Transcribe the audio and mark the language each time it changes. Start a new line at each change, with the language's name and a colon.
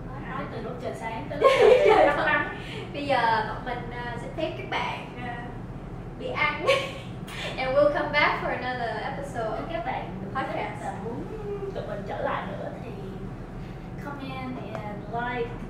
Vietnamese: nói từ lúc trời sáng tới lúc trời tối. Bây giờ bọn mình xin phép các bạn đi ăn.
English: And we'll come back for another episode.
Vietnamese: Các bạn podcast là muốn tụi mình trở lại nữa thì
English: comment and like